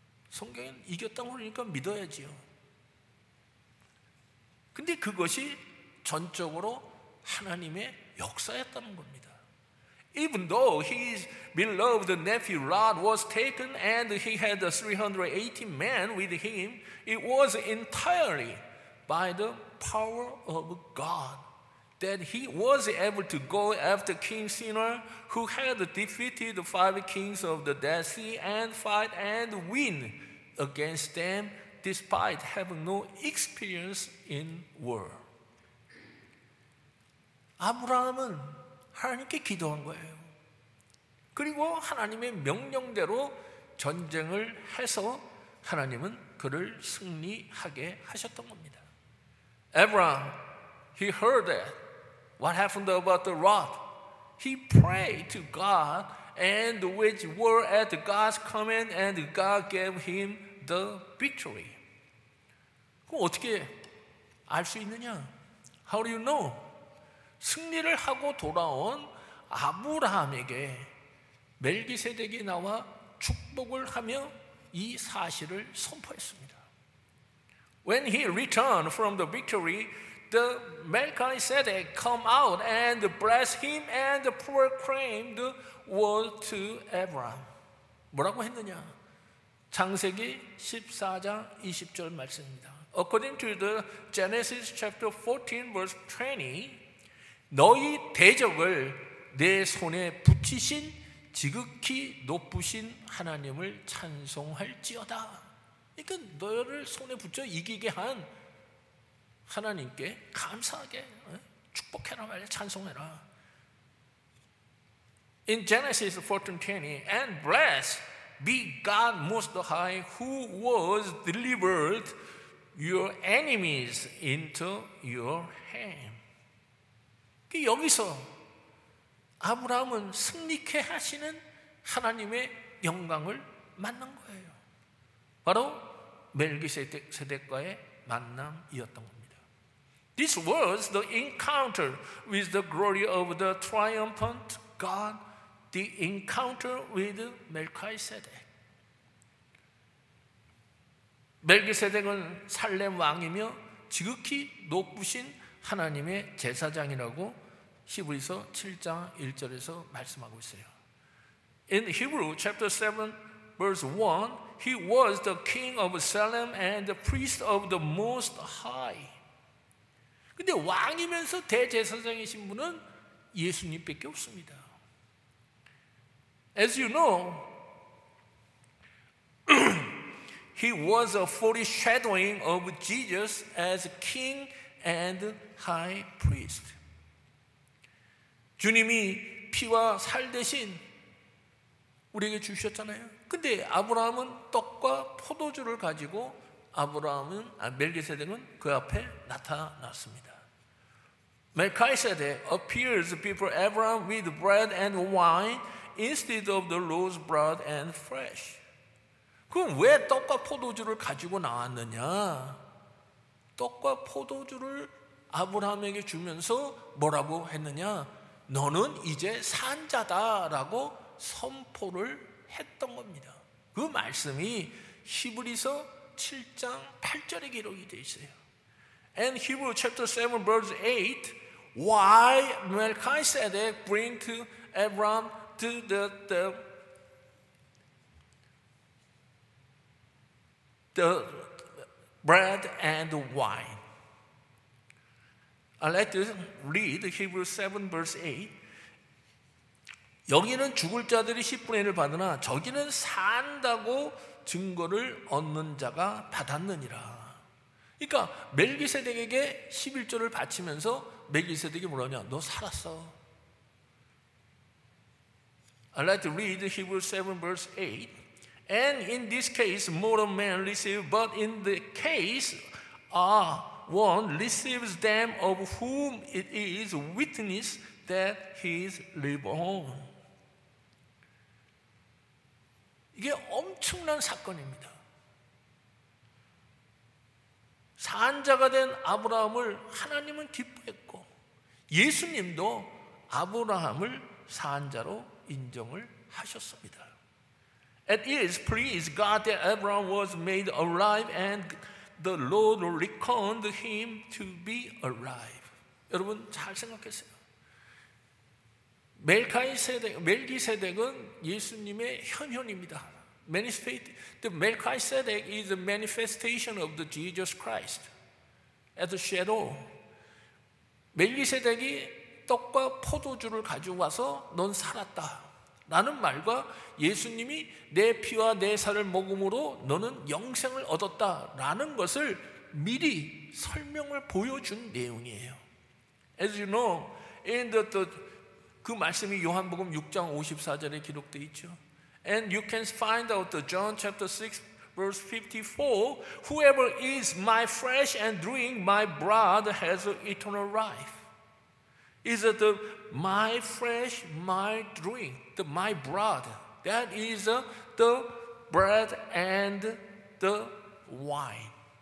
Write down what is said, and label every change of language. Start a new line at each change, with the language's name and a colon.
Korean: 성경은 이겼다고 그러니까 믿어야지요. 근데 그것이 전적으로 하나님의 역사였다는 겁니다.
English: Even though his beloved nephew Lot was taken and he had 318 men with him, it was entirely by the power of God that he was able to go after King Shinar, who had defeated the five kings of the Dead Sea and fight and win against them despite having no experience in war.
Korean: 아브라함은 하나님께 기도한 거예요. 그리고 하나님의 명령대로 전쟁을 해서 하나님은 그를 승리하게 하셨던 겁니다.
English: Abraham, he heard that. What happened about the rod? He prayed to God and which were at God's command and God gave him the victory.
Korean: 그럼 어떻게 알 수 있느냐?
English: How do you know?
Korean: 승리를 하고 돌아온 아브라함에게 멜기세덱이 나와 축복을 하며 이 사실을 선포했습니다.
English: When he returned from the victory, the Melchizedek come out and bless him and proclaimed the word to Abraham.
Korean: 뭐라고 했느냐? 창세기 14장 20절 말씀입니다.
English: According to the Genesis chapter 14 verse 20,
Korean: 너희 대적을 내 손에 붙이신 지극히 높으신 하나님을 찬송할지어다. 그러니까 너희를 손에 붙여 이기게 한 하나님께 감사하게 축복해라 말이야, 찬송해라.
English: In Genesis 14:20, and blessed be God most high who was delivered your enemies into your hand.
Korean: 여기서 아브라함은 승리케 하시는 하나님의 영광을 만난 거예요. 바로 멜기세덱과의 만남이었던 겁니다.
English: This was the encounter with the glory of the triumphant God, the encounter with Melchizedek.
Korean: Melchizedek은 살렘 왕이며 지극히 높으신 하나님의 제사장이라고 히브리서 7장 1절에서 말씀하고 있어요.
English: In Hebrew chapter 7 verse 1, he was the king of Salem and the priest of the most high.
Korean: 근데 왕이면서 대제사장이신 분은 예수님밖에 없습니다.
English: As you know, he was a foreshadowing of Jesus as king and high priest.
Korean: 주님이 피와 살 대신 우리에게 주셨잖아요. 근데 아브라함은 떡과 포도주를 가지고 아브라함은 멜기세덱은 그 앞에 나타났습니다.
English: Melchizedek appears before Abraham with bread and wine instead of the loaves, bread and flesh.
Korean: 그럼 왜 떡과 포도주를 가지고 나왔느냐? 떡과 포도주를 아브라함에게 주면서 뭐라고 했느냐? 너는 이제 산자다라고 선포를 했던 겁니다. 그 말씀이 히브리서 7장 8절에 기록이 되어 있어요.
English: And Hebrew chapter 7 verse 8, why Melchizedek bring to Abraham to the bread and wine. I'd like to read Hebrew 7 verse 8.
Korean: 여기는 죽을 자들이 10분의 1을 받으나 저기는 산다고 증거를 얻는 자가 받았느니라. 그러니까 멜기세덱에게 11조를 바치면서 멜기세덱이 뭐라냐? 너 살았어.
English: I'd like to read Hebrews 7 verse 8. And in this case, mortal man receives, but in the case, one receives them of whom it is witness that he is reborn.
Korean: 이게 엄청난 사건입니다. 산자가 된 아브라함을 하나님은 기뻐했고 예수님도 아브라함을 산자로 인정을 하셨습니다.
English: It is pleased God that Abraham was made alive and the Lord reckoned him to be alive.
Korean: 여러분 잘 생각했어요. 멜기세덱은 예수님의 현현입니다.
English: The Melchizedek is a manifestation of the Jesus Christ as a shadow.
Korean: 멜기세덱이 떡과 포도주를 가져와서 넌 살았다 라는 말과 예수님이 내 피와 내 살을 먹음으로 너는 영생을 얻었다 라는 것을 미리 설명을 보여준 내용이에요.
English: As you know, in the
Korean: 그 말씀이 요한복음 6장 54절에 기록되어 있죠.
English: And you can find out the John chapter 6 verse 54, whoever eats my flesh and drink my blood has eternal life. Is it the my flesh, my drink, the my blood? That is the bread and the wine.